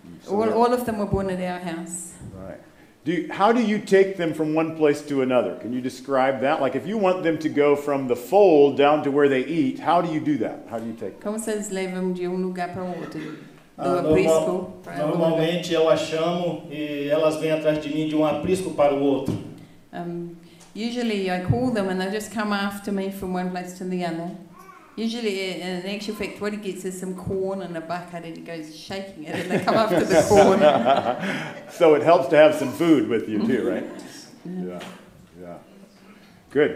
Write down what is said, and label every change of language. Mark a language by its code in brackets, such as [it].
[en] All of them were born at our house. Right. How do you take them from one place to another? Can you describe that? Like, if you want them to go from the fold down to where they eat, how do you do that? How do you take them? [pt] Como vocês levam de lugar para outro? Aprisco. Normalmente eu as chamo e elas vêm atrás de mim de aprisco para o outro. [en] Usually I call them and they just come after me from one place to the other. Usually, in actual fact, what he gets is some corn and a bucket, and he goes shaking it, and they come after the corn. So it helps to have some food with you too, right? Yeah. Good.